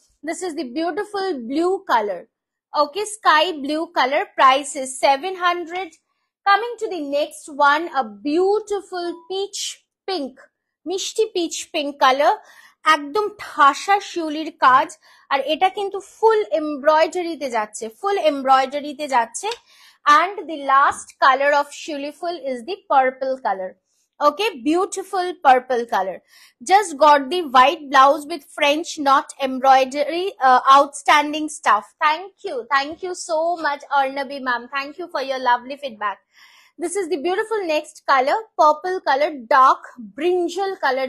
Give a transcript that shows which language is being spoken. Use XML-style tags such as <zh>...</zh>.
<en>This is the beautiful blue color, okay, sky blue color, price is 700. Coming to the next one, a beautiful peach pink, mishti peach pink color,</en> <bn>একদম ঠাসা শিউলির কাজ, আর এটা কিন্তু ফুল এমব্রয়ডারিতে যাচ্ছে, ফুল এমব্রয়ডারিতে যাচ্ছে।</bn> <en>and the last color of Shuliful is the purple color. Okay, beautiful purple color. Just got the white blouse with French knot embroidery. Outstanding stuff. Thank you so much, Arnabi ma'am. Thank you for your lovely feedback. This is the beautiful next color, purple color, dark brinjal color.</en>